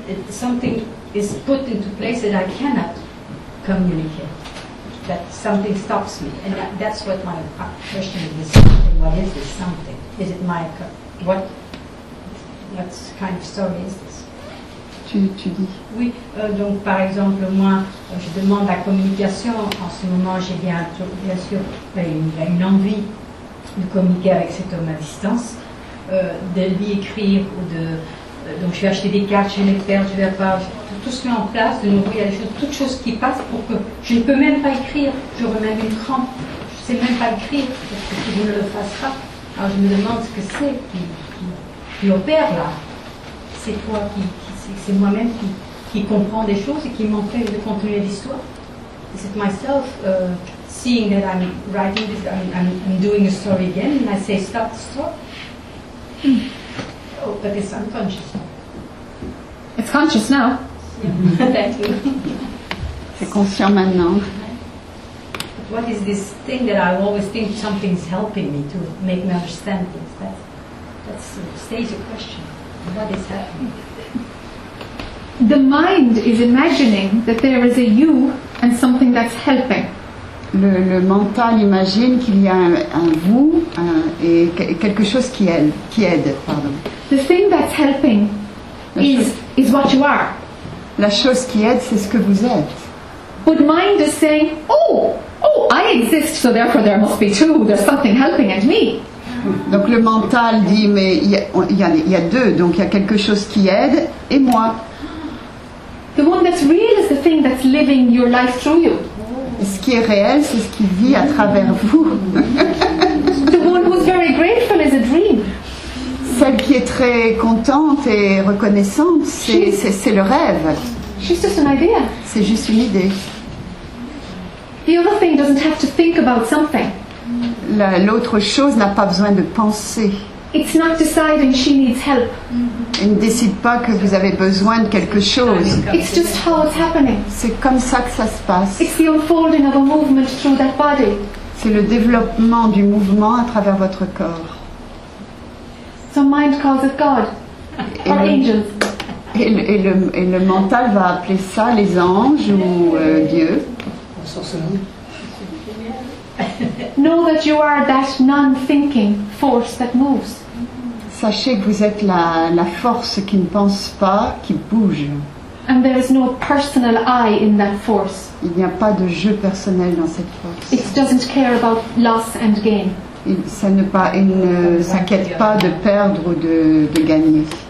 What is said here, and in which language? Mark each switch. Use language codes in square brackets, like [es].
[en] Something is put into place that I cannot communicate. That something stops me, and that's what my question is. What is this something? Is it my what kind of story is this? [fr] Tu dis. Oui, donc par exemple moi, je demande la communication. En ce moment, j'ai bien sûr une envie de communiquer avec cet homme à distance, de lui écrire ou de. Donc je vais acheter des cartes, je vais les faire, je vais pas. Tout se met en place, de nouveau, il y a toutes choses qui passent pour que je ne peux même pas écrire. J'aurai même une crampe. Je ne sais même pas écrire parce que tu ne le fasses pas. Alors je me demande ce que c'est qui opère là. C'est toi c'est moi-même qui comprends des choses et qui m'empêche de continuer l'histoire. [en] Is it myself seeing that I'm writing this, I'm doing a story again, and I say stop the story? Oh, but it's unconscious. It's conscious now. [fr] C'est conscient maintenant. [en] What is this thing that I always think something is helping me to make me understand things? That's a stage of question. What is happening? The mind is imagining that there is a you and something that's helping. [fr] Le mental imagine qu'il y a un vous et quelque chose qui aide. Pardon. [en] The thing that's helping is what you are. [fr] La chose qui aide, c'est ce que vous êtes. [en] But mind is saying, oh, I exist, so therefore there must be two. There's something helping at me. [fr] Donc le mental dit, mais il y a deux, donc il y a quelque chose qui aide et moi. [en] The one that's real is the thing that's living your life through you. [fr] Ce qui est réel, c'est ce qui vit à travers vous. [en] The one who's very grateful is a dream. [fr] Celle qui est très contente et reconnaissante, c'est le rêve. [en] She's just an idea. [fr] C'est juste une idée. [en] The other thing doesn't have to think about something. [fr] L'autre chose n'a pas besoin de penser. [en] It's not deciding she needs help. [fr] Elle ne décide pas que vous avez besoin de quelque chose. [en] It's just how it's happening. [fr] C'est comme ça que ça se passe. [en] It's the unfolding of a movement through that body. [fr] C'est le développement du mouvement à travers votre corps. [en] Some mind calls it God or angels. [fr] Et le mental va appeler ça les anges ou Dieu. [en] Know that you are that non-thinking force that moves. [fr] Sachez que vous êtes la force qui ne pense pas, qui bouge. [en] And there is no personal I in that force. [fr] Il n'y a pas de jeu personnel dans cette force. [en] It doesn't care about loss and gain. [fr] Il ne s'inquiète pas de perdre ou de gagner.